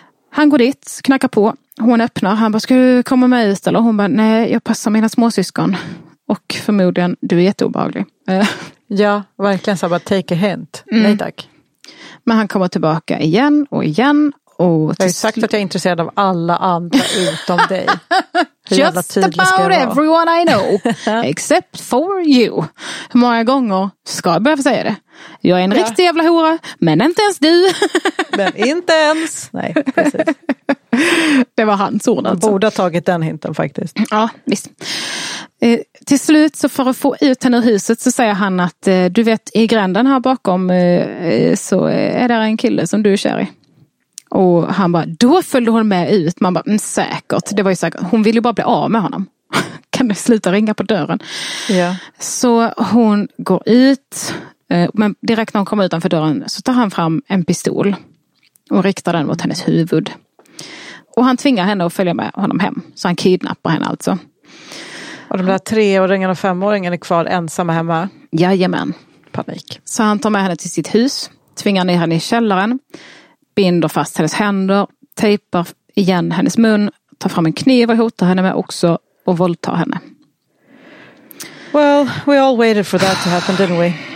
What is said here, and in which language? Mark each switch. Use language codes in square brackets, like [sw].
[sv] Han går dit, knackar på. Hon öppnar. Han bara, ska du komma med ut? Eller hon bara, nej, jag passar mina småsyskon. Och förmodligen, du är jätteobehaglig. Ja, verkligen. Så bara, [en] take a hint. [sv] Nej, tack. Men han kommer tillbaka igen och igen. Och jag har sagt att jag är intresserad av alla andra utom dig. [en] Just about everyone I know. Except for you. [sv] Hur många gånger ska jag behöva säga det? Jag är en riktig jävla hora, men inte ens du. Men inte ens. Nej, precis. Det var hans ord alltså. Han borde ha tagit den hinten faktiskt. Ja, visst. Till slut så för att få ut henne ur huset så säger han att du vet i gränden här bakom så är det en kille som du är kär i. Och han bara, då följde hon med ut. Man bara, säkert. Det var ju säkert. Hon ville ju bara bli av med honom. Kan du sluta ringa på dörren? Yeah. Så hon går ut. Men direkt när hon kommer utanför dörren så tar han fram en pistol. Och riktar den mot hennes huvud. Och han tvingar henne att följa med honom hem. Så han kidnappar henne alltså. Och de där 3-åringen och 5-åringen är kvar ensamma hemma. Jajamän. Panik. Så han tar med henne till sitt hus. Tvingar ner henne i källaren. Binder fast hennes händer, tejpar igen hennes mun, tar fram en kniv och hotar henne med också och våldtar henne. [en] Well, we all waited for that to happen, didn't we?